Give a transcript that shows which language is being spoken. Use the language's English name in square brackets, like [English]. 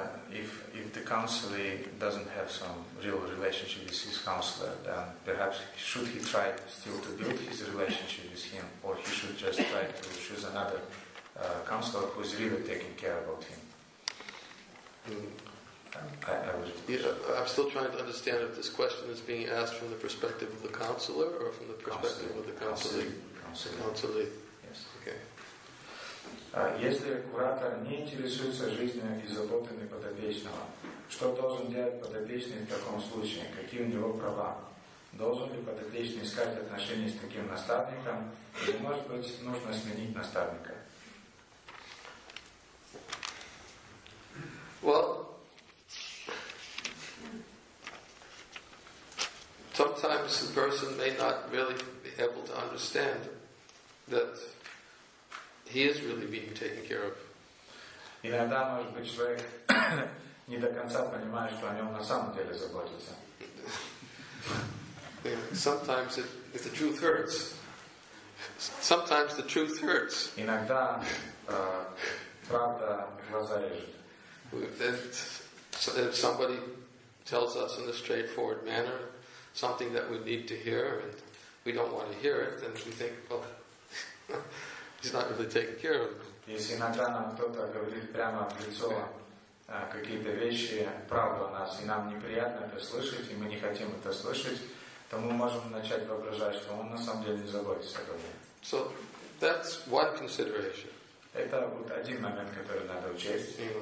[English] If the counselee doesn't have some real relationship with his counselor, then perhaps should he try still to build his relationship with him, or he should just try to choose another counselor who is really taking care about him? I'm still trying to understand if this question is being asked from the perspective of the counselor or from the perspective of the counselee. Counselee. Yes. Okay. [Russian] Если куратор не интересуется жизнью и заботами подопечного, что должен делать подопечный в таком случае? Какие у него права? Должен ли подопечный искать отношения с таким наставником? Или, может быть, нужно сменить наставника? [English] Well, sometimes the person may not really be able to understand that he is really being taken care of. [Russian] Иногда, может быть, человек не до конца понимает, что о нем на самом деле заботится. [English] Sometimes if the truth hurts. Sometimes the truth hurts. [Russian] Иногда правда глаза режет. [English] If somebody tells us in a straightforward manner something that we need to hear and we don't want to hear it, then we think, well, he's not really taking care of me. [Russian] Если иногда нам кто-то говорит прямо в лицо какие-то вещи, правду о нас, и нам неприятно это слышать, и мы не хотим это слышать, то мы можем начать воображать, что он на самом деле не заботится обо мне. [English] So that's one consideration. [Russian] Это вот один момент, который надо учесть.